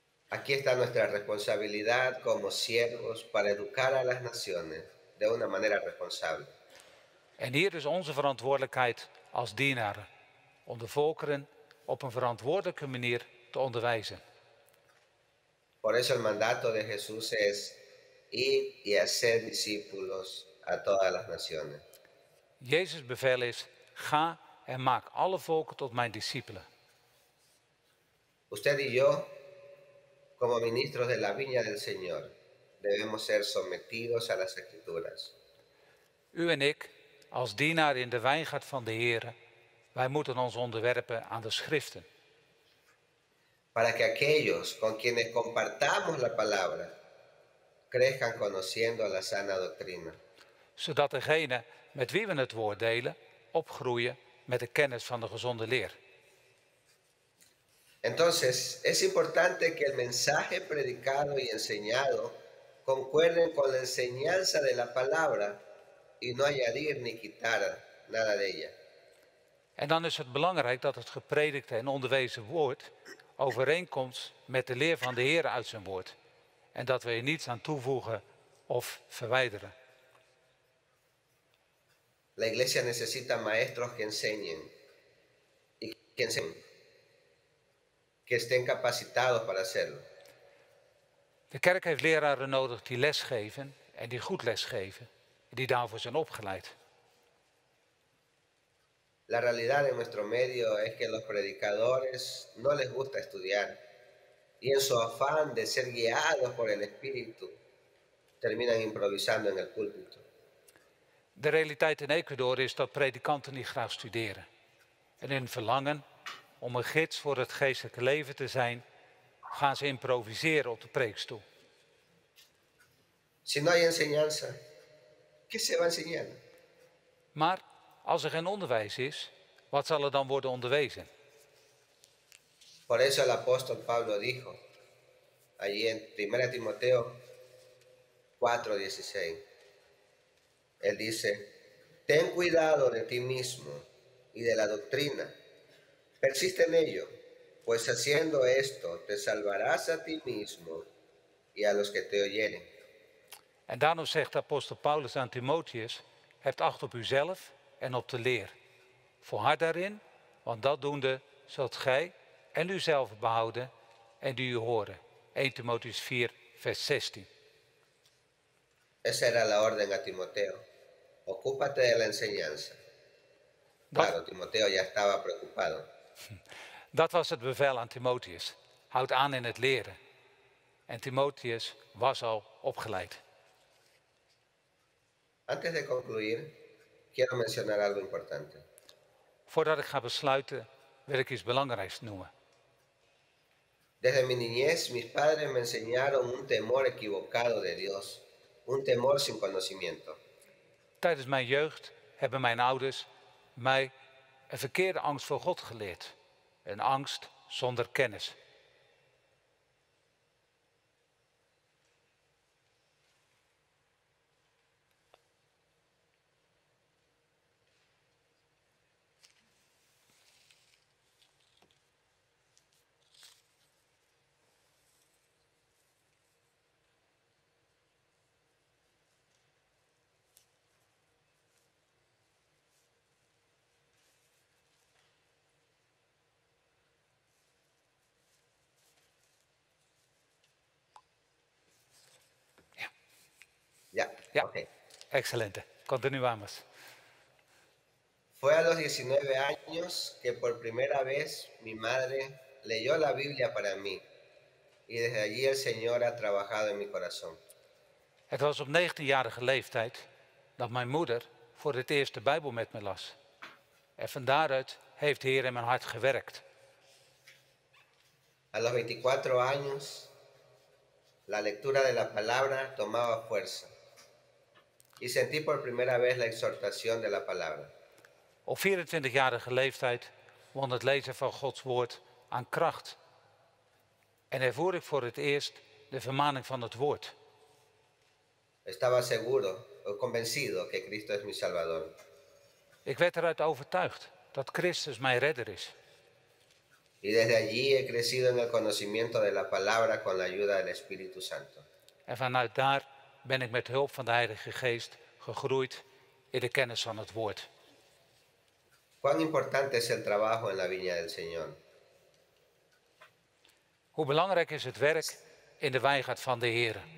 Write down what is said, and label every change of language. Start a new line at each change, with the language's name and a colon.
Spanish: Aquí está nuestra responsabilidad como siervos para educar a las naciones de una manera responsable.
Dutch: En hier is onze verantwoordelijkheid als dienaren om de volkeren op een verantwoordelijke manier te onderwijzen.
Spanish: Por eso el mandato de Jesús es ir y hacer discípulos a todas las naciones.
Dutch: Jezus' bevel is: ga en maak alle volken tot mijn discipelen.
Spanish: Usted y yo, como ministros de la viña del Señor, debemos ser sometidos a las Escrituras.
Dutch: U en ik, als dienaar in de wijngaard van de Heer, wij moeten ons onderwerpen aan de Schriften.
Spanish: Para que aquellos con quienes compartamos la palabra crezcan conociendo la sana doctrina.
Dutch: Zodat degene met wie we het woord delen opgroeien met de kennis van de gezonde leer.
Spanish: Entonces, es importante que el mensaje predicado y enseñado concuerden con la enseñanza de la palabra y no añadir ni quitar nada de ella.
Dutch: En dan is het belangrijk dat het gepredikte en onderwezen woord overeenkomt met de leer van de Heer uit zijn woord en dat we er niets aan toevoegen of verwijderen.
Spanish: La iglesia necesita maestros que enseñen y que enseñen que estén capacitados para hacerlo.
Dutch: De kerk heeft leraren nodig die lesgeven en die goed lesgeven en die daarvoor zijn opgeleid.
Spanish: La realidad en nuestro medio es que los predicadores no les gusta estudiar y en su afán de ser guiados por el Espíritu terminan improvisando en el púlpito.
Dutch: De realiteit in Ecuador is dat predikanten niet graag studeren en hun verlangen om een gids voor het geestelijke leven te zijn gaan ze improviseren op de preekstoel.
Spanish: Si no hay enseñanza, ¿qué se va a enseñar?
Dutch: Maar als er geen onderwijs is, wat zal er dan worden onderwezen?
Spanish: Por eso el apóstol Pablo dijo allí en 1 Timoteo 4:16. Él dice: "Ten cuidado de ti mismo y de la doctrina. Persiste en ello, pues haciendo esto te salvarás a ti mismo y a los que te oyeren."
Dutch: En daarom zegt de apostel Paulus aan Timotheus: "Heb acht op uzelf en op de leer. Volhard daarin, want dat doende zult gij en uzelf behouden en die u horen." 1 Timotheus 4, vers 16.
Spanish: Esa era la orden a Timoteo. Ocúpate de la enseñanza. Claro, Timoteo ya estaba preocupado.
Dutch: Dat was het bevel aan Timotheus. Houd aan in het leren. En Timotheus was al opgeleid.
Spanish: Antes de concluir, quiero mencionar algo importante.
Dutch: Voordat ik ga besluiten, wil ik iets belangrijks noemen.
Spanish: Desde mi niñez, mis padres me enseñaron un temor equivocado de Dios, un temor sin conocimiento.
Dutch: Tijdens mijn jeugd hebben mijn ouders mij een verkeerde angst voor God geleerd, een angst zonder kennis. Ja, okay.
Spanish: Excelente. Continuamos. Fue a los 19 años que por primera vez mi madre leyó la Biblia para mí Y desde allí el Señor ha trabajado en mi corazón.
Dutch: Het was op 19-jarige leeftijd dat mijn moeder voor het eerst de Bijbel met me las. En van daaruit heeft de Heer in mijn hart gewerkt.
Spanish: A los 24 años, la lectura de la palabra tomaba fuerza. Y sentí por primera vez la exhortación de la palabra.
Dutch: Op 24-jarige leeftijd won het lezen van Gods woord aan kracht. En ervoer ik voor het eerst de vermaning van het woord.
Spanish: Estaba seguro, convencido que Cristo es mi salvador.
Dutch: Ik werd eruit overtuigd dat Christus mijn redder is.
Spanish: Y desde allí he crecido en el conocimiento de la palabra con la ayuda del Espíritu Santo.
Dutch: En vanuit daar ben ik met hulp van de Heilige Geest gegroeid in de kennis van het woord.
Spanish: ¿Cuán importante es el trabajo en la viña del Señor?
Dutch: Hoe belangrijk is het werk in de wijngaard van de Heer?